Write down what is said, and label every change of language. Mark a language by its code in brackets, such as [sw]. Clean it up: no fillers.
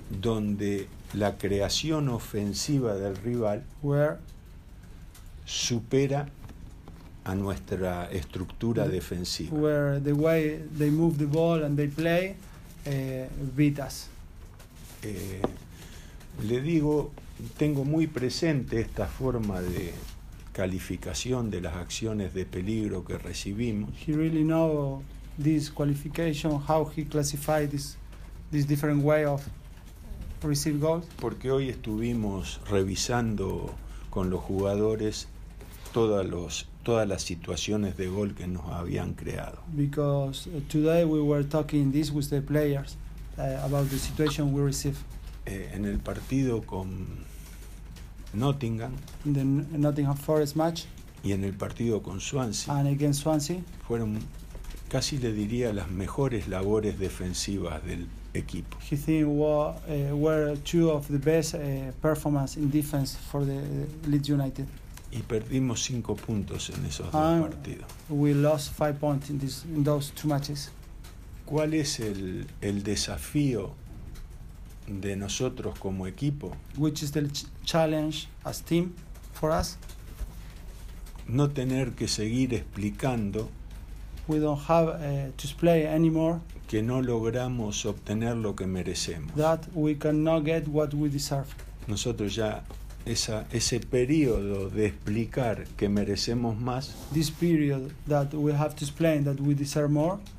[es] Donde la creación ofensiva del rival [en] where [es] supera a nuestra estructura defensiva. [en] Where the way they move the ball and they play beat us. [es] Le digo, tengo muy presente esta forma de calificación de las acciones de peligro que recibimos. [en] He really know this qualification, how he classified this different way of receive goals. [es] Porque hoy estuvimos revisando con los jugadores todas las situaciones de gol que nos habían creado. [en] Because today we were talking this with the players about the situation we receive. [es] En el partido con Nottingham, [en] in the Nottingham Forest match, [es] y en el partido con Swansea, [en] and against Swansea, [es] fueron casi le diría las mejores labores defensivas del equipo. [en] He think were two of the best performance in defense for the Leeds United. [es] Y perdimos 5 puntos en esos dos partidos. [en] We lost 5 points in those two matches. [es] ¿Cuál es el desafío de nosotros como equipo? [en] Which is the challenge as team for us? [es] No tener que seguir explicando. [en] We don't have to explain anymore. [es] Que no logramos obtener lo que merecemos. [en] That we cannot get what we deserve. [es] Nosotros ya ese periodo de explicar que merecemos más. [en] This period that we have to explain that we deserve more.